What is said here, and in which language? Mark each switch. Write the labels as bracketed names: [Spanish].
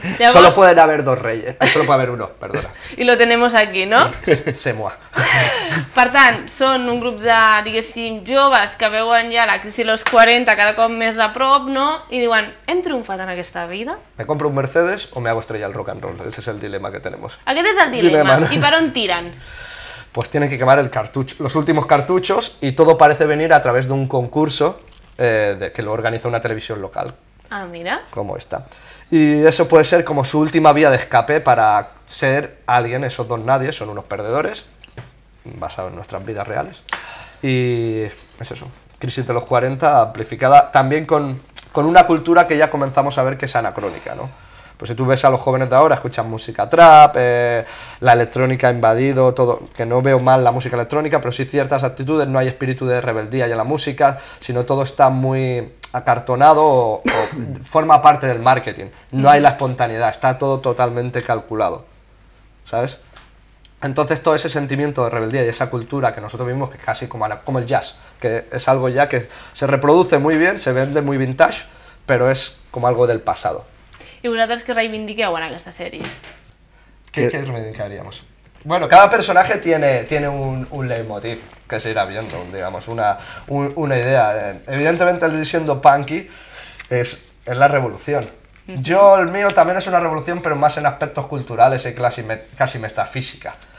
[Spanish] Solo pueden haber dos reyes, solo puede haber uno, perdona. I lo tenemos aquí, ¿no? Semua. [Catalan] Per tant, són un grup de, diguéssim, joves que veuen ja la crisi dels 40 cada cop més a prop, ¿no? I diuen, hem triomfat en aquesta vida? [Spanish] ¿Me compro un Mercedes o me hago estrella al rock and roll? Ese es el dilema que tenemos. [Catalan] Aquest és el dilema, ¿no? I per on tiren? [Spanish] Pues tienen que quemar el cartucho, los últimos cartuchos, y todo parece venir a través de un concurso que lo organiza una televisión local. Ah, mira. Como esta. Y eso puede ser como su última vía de escape para ser alguien, esos dos nadie, son unos perdedores, basados en nuestras vidas reales. Y es eso, crisis de los 40 amplificada también con una cultura que ya comenzamos a ver que es anacrónica, ¿no? Pues si tú ves a los jóvenes de ahora, escuchan música trap, la electrónica ha invadido todo, que no veo mal la música electrónica, pero sí ciertas actitudes, no hay espíritu de rebeldía ya en la música, sino todo está muy acartonado o forma parte del marketing. No hay la espontaneidad, está todo totalmente calculado, ¿sabes? Entonces todo ese sentimiento de rebeldía y esa cultura que nosotros vimos, que es casi como el jazz, que es algo ya que se reproduce muy bien, se vende muy vintage, pero es como algo del pasado. [Catalan] I vosaltres què reivindiqueu en aquesta sèrie? [Spanish] Què reivindicaríamos? Bueno, cada personaje tiene un leitmotiv que se irá viendo, digamos, una idea. Evidentemente, siendo punky, es la revolución. Yo, el mío también es una revolución, pero más en aspectos culturales y casi metafísica.